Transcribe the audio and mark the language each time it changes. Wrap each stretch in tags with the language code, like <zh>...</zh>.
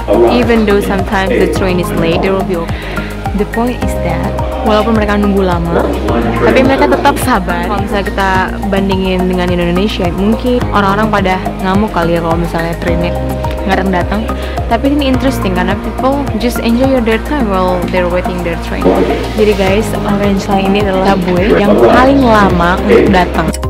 <en>Even though sometimes the train is late, there will be okay. The point is that</en> <id>walaupun mereka nunggu lama, tapi mereka tetap sabar. Kalau misalnya kita bandingin dengan Indonesia, mungkin orang-orang pada ngamuk kali ya kalau misalnya trainnya nggak datang. Tapi ini</id> <en>interesting</en> <id>karena</id> <en>people just enjoy their time while they're waiting their train.</en> <id>Jadi guys, orange line ini adalah subway yang paling lama untuk datang.</id>